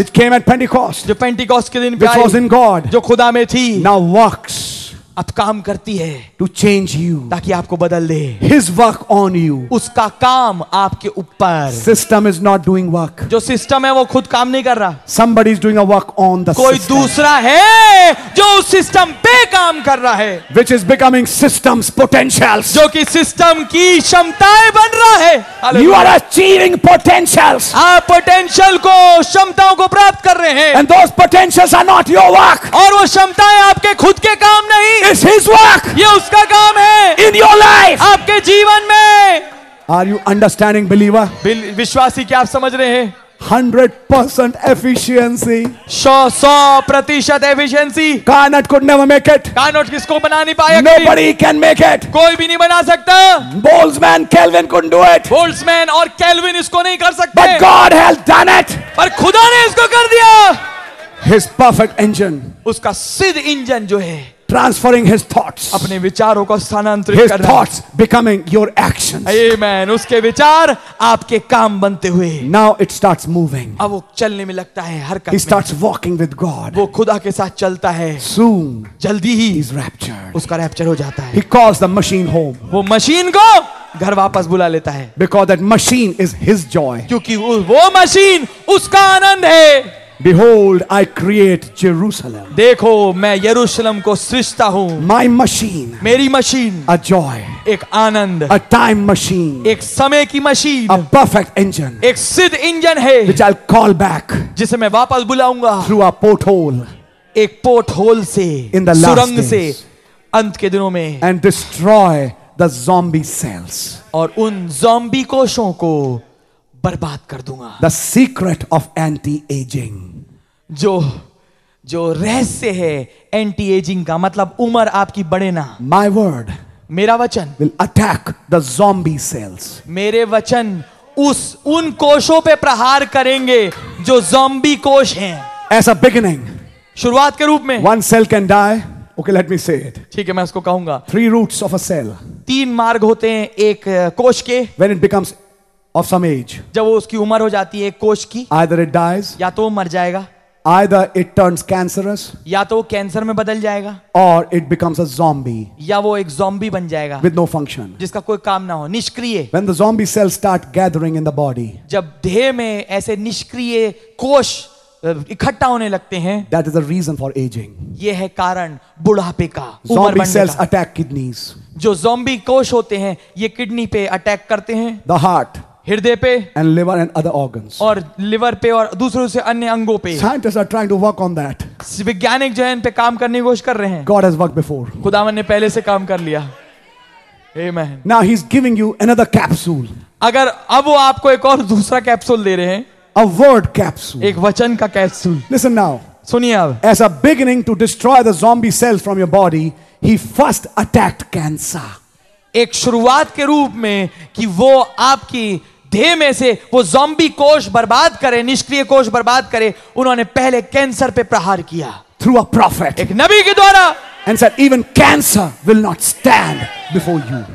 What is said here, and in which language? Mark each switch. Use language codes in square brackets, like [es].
[en] Which came at Pentecost, [hi] जो Pentecost के दिन पे आई. [en] Which was in God, [hi] जो खुदा में थी. [en] Now works, [hi] अब काम करती है. [en] To change you, [hi] ताकि आपको बदल दे. [en] His work on you, [hi] उसका काम आपके ऊपर. [en] System is not doing work, [hi] जो सिस्टम है वो खुद काम नहीं कर रहा. [en] Somebody is doing a work on the [hi] कोई [en] system. [hi] दूसरा है जो उस सिस्टम पे काम कर रहा है. [en] Which is becoming system's potentials, [hi] जो कि सिस्टम की क्षमताएं बन रहा है. [en] You are achieving potentials, [hi] आप पोटेंशियल को क्षमताओं को प्राप्त कर रहे हैं. [en] And those potentials are not your work, [hi] और वो क्षमताएं आपके खुद के काम नहीं. [en] It's his work. [hi] ये उसका काम है. [en] In your life. [hi] आपके जीवन में. [en] Are you understanding, believer? [hi] विश्वासी क्या आप समझ रहे हैं? [en] 100% efficiency. 100% efficiency. Carnot could never make it. [hi] Carnot किसको बना नहीं पाया? [en] Nobody can make it. [hi] कोई भी नहीं बना सकता. [en] Boltzmann, Kelvin couldn't do it. [hi] Boltzmann और Kelvin इसको नहीं कर सकते. [en] But God has done it. [hi] पर खुदा ने इसको कर दिया. [en] His perfect engine. [hi] उसका सिद्ध इंजन जो है. [en] Transferring his thoughts. [hi] अपने विचारों को स्थानांतरित कर रहा है. [en] His thoughts becoming your actions. decisions. Amen. [hi] उसके विचार आपके काम बनते हुए. [en] Now it starts moving. [hi] अब वो चलने में लगता है हर काम. [en] He starts walking with God. [hi] वो खुदा के साथ चलता है. [en] Soon. [hi] जल्दी ही. [en] He's raptured. [hi] उसका रैप्चर हो जाता है. [en] He calls the machine home. [hi] वो मशीन को घर वापस बुला लेता है. [en] Because that machine is his joy. [hi] क्योंकि वो मशीन उसका आनंद है. [en] Behold, I create Jerusalem. [hi] देखो मैं यरूशलम को सृष्टा हूँ. [en] My machine. [hi] मेरी मशीन. [en] A joy. [hi] एक आनंद. [en] A time machine. [hi] एक समय की मशीन. [en] A perfect engine. [hi] एक सिद्ध इंजन है. [en] Which I'll call back. [hi] जिसे मैं वापस बुलाऊंगा. [en] Through a porthole. [hi] एक पोर्टहोल से. [en] In the last [hi] सुरंग [en] days. [hi] से अंत के दिनों में. [en] And destroy the zombie cells. [hi] और उन जॉम्बी कोशों को बर्बाद कर दूंगा. [en] The secret of anti-aging. [hi] जो रहस्य है anti-aging का, मतलब उम्र आपकी बढ़े ना. [en] My word. [hi] मेरा वचन. [en] Will attack the zombie cells. [hi] मेरे वचन उन कोशों पे प्रहार करेंगे जो zombie कोश हैं. [en] As a beginning. [hi] शुरुआत के रूप में. [en] One cell can die. Okay, let me say it. [hi] ठीक है, मैं उसको कहूँगा. [en] Three roots of a cell. [hi] तीन मार्ग होते हैं एक कोश के. [en] When it becomes of some age. [hi] जब वो उसकी उम्र हो जाती है कोश की. [en] Either it dies. [hi] या तो वो मर जाएगा. [en] Either it turns cancerous. [hi] या तो वो कैंसर में बदल जाएगा. [en] Or it becomes a zombie. [hi] या वो एक zombie बन जाएगा. [en] With no function. [hi] जिसका कोई काम ना हो, निष्क्रिय. [en] When the zombie cells start gathering in the body. [hi] जब देह में ऐसे निष्क्रिय कोश इकट्ठा होने लगते हैं. [en] That is the reason for aging. [hi] ये है कारण बुढ़ापे का. [en] Zombie cells attack kidneys. [hi] जो zombie कोश होते हैं ये किडनी पे अटैक करते हैं. [en] The heart. [hi] हृदय पे. [en] And liver and other organs. [hi] और लिवर पे और दूसरों से अन्य अंगों पे. [en] Scientists are trying to work on that. [hi] वैज्ञानिक जो है इन पे काम करने की कोशिश कर रहे हैं. [en] God has worked before. [hi] खुदावन ने पहले से काम कर लिया. [en] Amen. Now he's giving you another capsule. [hi] अगर अब वो आपको एक और दूसरा कैप्सूल दे रहे हैं. [en] A word capsule. [hi] एक वचन का कैप्सूल. [en] Listen now. [hi] सुनिए अब. [en] As a beginning to destroy the zombie cells from your body, he first attacked cancer. [hi] एक शुरुआत के रूप में कि वो आपकी देह में से वो जॉम्बी कोश बर्बाद करे, निष्क्रिय कोश बर्बाद करे, उन्होंने पहले कैंसर पे प्रहार किया. [en] Through a prophet. [hi] एक नबी के द्वारा. [en] And sir even cancer will not stand before you.